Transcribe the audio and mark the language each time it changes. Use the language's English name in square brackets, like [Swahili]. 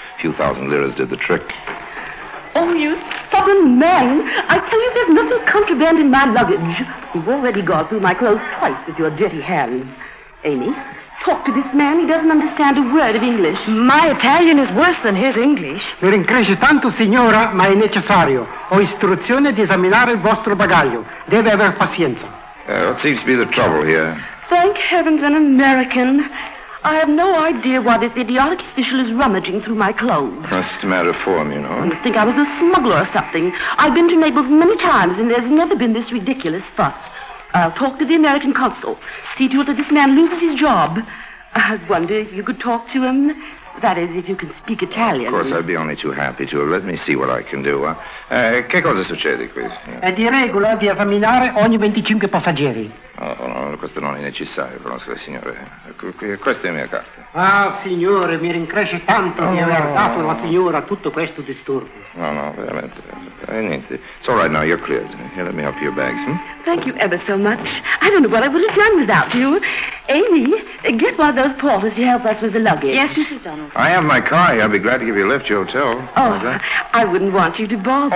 [English] A few thousand liras did the trick. Oh, you stubborn man. I tell you, there's nothing contraband in my luggage. You've already gone through my clothes twice with your dirty hands. Amy, talk to this man. He doesn't understand a word of English. My Italian is worse than his English. [Italian] Mi ringrazio tanto, signora, ma è necessario. Ho istruzione di esaminare il vostro bagaglio. Deve aver pazienza. [English] What seems to be the trouble here? Thank heavens, an American. I have no idea why this idiotic official is rummaging through my clothes. That's a matter of form, you know. You think I was a smuggler or something. I've been to Naples many times, and there's never been this ridiculous fuss. I'll talk to the American consul. See to it that this man loses his job. I wonder if you could talk to him. That is, if you can speak Italian. Of course, I'd be only too happy to. Let me see what I can do. [Italian] Che cosa succede qui? È di regola di esaminare ogni 25 passeggeri. Oh, no, questo non è necessario, conosco la signora. Questa è la mia carta. Ah, signore, mi rincresce tanto di aver dato alla signora tutto questo disturbo. No, no, veramente. Niente. [English] It's all right now, you're cleared. Here, let me help you your bags, Thank you ever so much. I don't know what I would have done without you. Amy, get one of those porters to help us with the luggage. Yes, Mrs. Donaldson. I have my car here. I'd be glad to give you a lift to your hotel. Oh, I wouldn't want you to bother.